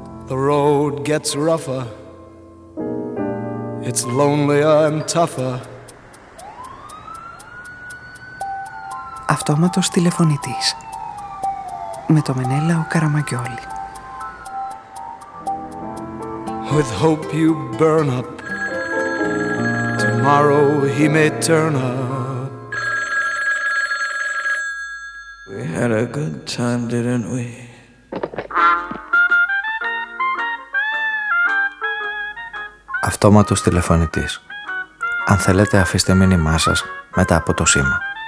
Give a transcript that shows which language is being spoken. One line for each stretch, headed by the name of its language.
English: The road gets rougher, it's lonelier and tougher.
Greek: Αυτόματος τηλεφωνητής. Με το Μενέλα ο Καραμαγκιόλη.
English: With hope you burn up, tomorrow he may turn up. We had a good time, didn't we?
Greek: Αυτόματος τηλεφωνητής. Αν θέλετε αφήστε μήνυμά σας μετά από το σήμα.